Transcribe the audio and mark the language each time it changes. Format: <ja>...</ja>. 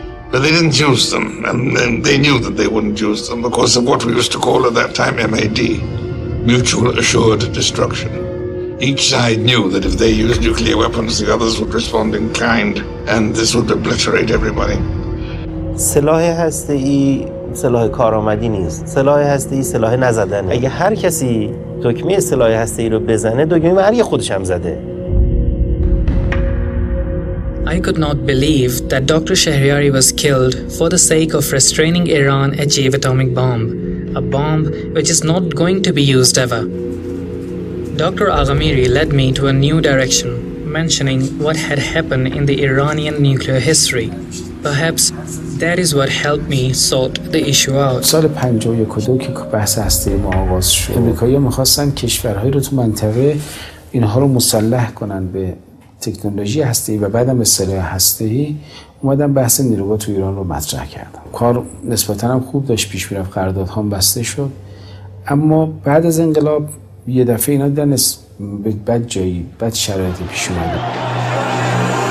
<en>But they didn't use them, and they knew that they wouldn't use them because of what we used to call at that time MAD, Mutual Assured Destruction. Each side knew that if they used nuclear weapons, the others would respond in kind, and this would obliterate everybody.</en> <fa>سلاح هسته‌ای سلاح کارآمدی نیست. سلاح هسته‌ای سلاح نزدنه. اگه هر کسی دکمه سلاح هسته‌ای رو بزنه، دکمه هر یه خودش هم زده.</fa> <en>I could not believe that Dr. Shahriari was killed for the sake of restraining Iran achieve atomic bomb, a bomb which is not going to be used ever. Dr. Aghamiri led me to a new direction, mentioning what had happened in the Iranian nuclear history. Perhaps that is what helped me sort the issue out.</en> <fa>سال 51 که بحث هسته‌ای ما آغاز شد، آمریکایی‌ها می‌خواستن کشورهای رو تو منطقه اینها رو مسلح کنن به تکنولوژی هسته‌ای و بعدم به سلاح هسته‌ای، اومدن بحث نیروگاه تو ایران رو مطرح کردن. کار نسبتاً هم خوب داشت پیش می‌رفت، قراردادها هم بسته شد، اما بعد از انقلاب یه دفعه اینا دیدن بد جایی، بد شرایطی پیش اومده.</fa>